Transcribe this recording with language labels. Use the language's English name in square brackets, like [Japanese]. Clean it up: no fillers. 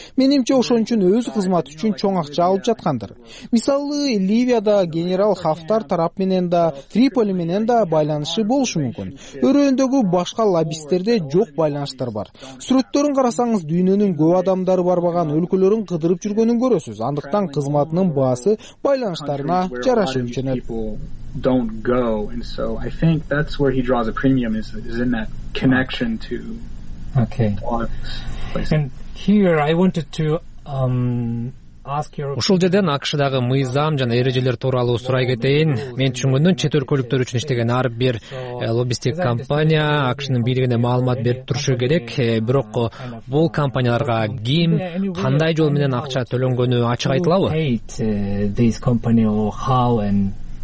[Kyrgyz] Менимче ошон үчүн өз кызматы үчүн чоң акча алып жаткандыр. Мисалы, Ливияда генерал Хафтар тарап менен да, Триполи менен да байланышы болушу мүмкүн. Өрөөндөгү башка лоббисттерде жок байланыштар бар. Сүрөттөрүн карасаңыз, дүйнөнүн көп адамдары барбаган өлкөлөрүн кыдырып жүргөнүн көрөсүз. Андыктан кызматынын баасы байланыштарына жараша үчүнөт. [English] Don't go. And so I think that's where he draws a premium is in that connection to Okay. And here I wanted to [Kyrgyz] ушул жерден АКШдагы мыйзам жана эрежелер тууралуу сурай кетейин. Мен түшүнгөндөн чет өлкөлүктөр үчүн иштеген ар бир лоббистик компания АКШнын бийлигине маалымат берип турушу керек. Бирок бул компанияларга ким, кандай жол менен акча төлөнгөнү ачык айтылабы?